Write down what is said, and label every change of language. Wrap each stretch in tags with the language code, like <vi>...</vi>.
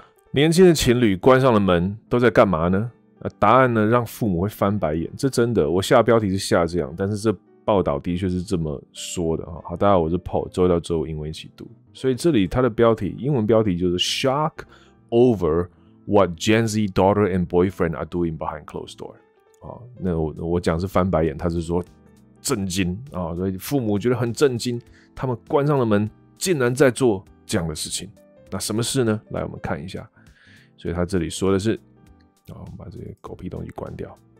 <zh>年轻的情侣关上了门都在干嘛呢？答案呢让父母会翻白眼，这真的，我下标题是下这样，但是这报道的确是这么说的。好，大家好，我是 Paul， 周一到周五英文一起读。所以这里它的标题，英文标题就是</zh> <en>Shock over what Gen Z daughter and boyfriend are doing behind closed door。</en> <zh>那我讲是翻白眼，他是说震惊，所以父母觉得很震惊，他们关上了门竟然在做这样的事情。那什么事呢？来，我们看一下。所以他这里说的是，我们把这些狗屁东西关掉。</zh>